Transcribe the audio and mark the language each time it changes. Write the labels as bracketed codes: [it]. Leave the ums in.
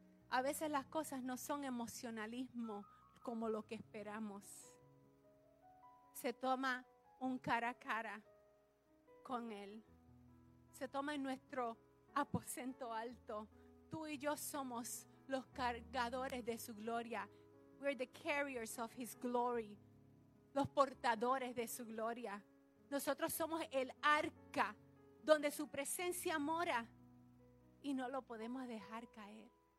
[es] A veces las cosas no son emocionalismo como lo que esperamos. Se toma un cara a cara con Él. Se toma en nuestro aposento alto. Tú y yo somos los cargadores de su gloria. [en] We're the carriers of His glory. [es] Los portadores de su gloria. Nosotros somos el arca donde su presencia mora y no lo podemos dejar caer.